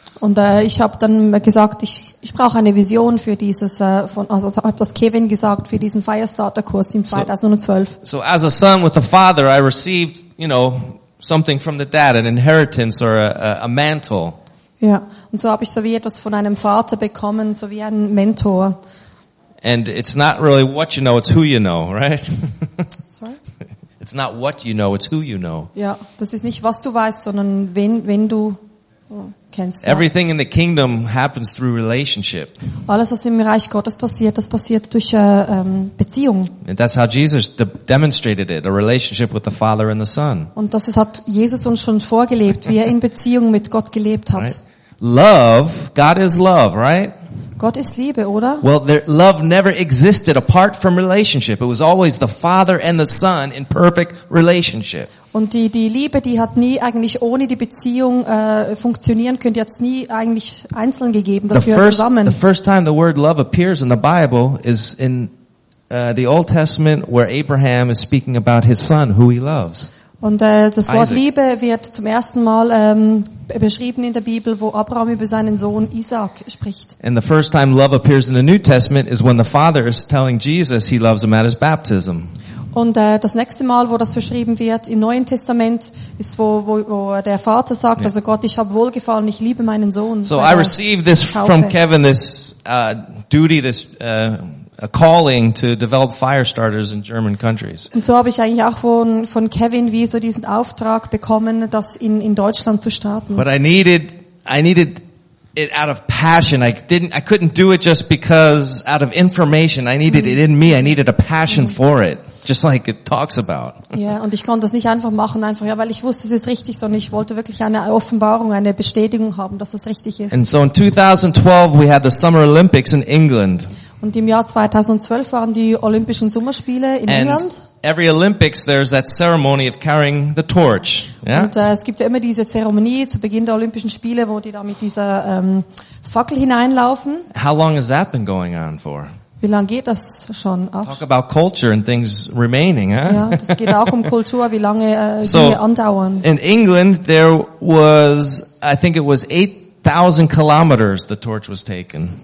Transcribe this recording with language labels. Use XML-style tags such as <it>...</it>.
<de>Und ich habe dann gesagt, ich brauche eine Vision für dieses habe das Kevin gesagt für diesen Firestarter Kurs im 2012.</de> <en>So as a son with a father, I received, you know, something from the dad, an inheritance or a mantle.</en> <de>Ja, und so habe ich so wie etwas von einem Vater bekommen, so wie ein Mentor.</de> <en>And it's not really what you know, it's who you know, right? Sorry. It's not what you know, it's who you know.</en> <de>Ja, das ist nicht was du weißt, sondern wenn du kennst,</de> <en>everything in the kingdom happens through relationship.</en> <de>Alles, was im Reich Gottes passiert, das passiert durch Beziehung.</de> <en>And that's how Jesus demonstrated it, a relationship with the Father and the Son.</en> <de>Und das hat Jesus uns schon vorgelebt, wie in Beziehung mit Gott gelebt hat.</de> <en>Love, God is love, right?</en> <de>Gott ist Liebe, oder?</de> <en>Well, love never existed apart from relationship. It was always the Father and the Son in perfect relationship.</en> <de>Und die Liebe, die hat nie eigentlich ohne die Beziehung funktionieren können. Die hat's nie eigentlich einzeln gegeben. Das gehört zusammen.</de> <en>The first time the word love appears in the Bible is in the Old Testament, where Abraham is speaking about his son, who he loves.</en> <de>Und das Wort Isaac. Liebe wird zum ersten Mal beschrieben in der Bibel, wo Abraham über seinen Sohn Isaac spricht.</de> <en>And the first time love appears in the New Testament is when the Father is telling Jesus he loves him at his baptism.</en> <de>Und das nächste Mal, wo das beschrieben wird im Neuen Testament, ist wo der Vater sagt, also Gott, ich habe wohlgefallen, ich liebe meinen Sohn.</de> <en>So I received this from Kevin, this duty, this a calling to develop fire starters in German countries.</en> <de>Und so habe ich eigentlich auch von Kevin wie so diesen Auftrag bekommen, das in Deutschland zu starten.</de> <en>But I needed it out of passion. I couldn't do it just because out of information. I needed it in me. I needed a passion for it. Just like it talks about.</en> <de>Ja, und ich konnte das nicht einfach machen, einfach ja, weil ich wusste, es ist richtig, sondern ich wollte wirklich eine Offenbarung, eine Bestätigung haben, dass es richtig ist.</de> <en>And so in 2012 we had the Summer Olympics in England.</en> <de>Und im Jahr 2012 waren die Olympischen Sommerspiele in England.</de> <en>Every Olympics there's that ceremony of carrying the torch. Yeah?</en> <de>Und es gibt ja immer diese Zeremonie zu Beginn der Olympischen Spiele, wo die da mit dieser Fackel hineinlaufen.</de> <en>How long has that been going on for?</en> <de>Wie lange geht das schon?</de> <en>Ach. Talk about culture and things remaining, huh?</en> <de>Ja, das geht auch Kultur, wie lange so, die andauern.</de> <en>In England there was, I think it was 8,000 kilometers the torch was taken.</en>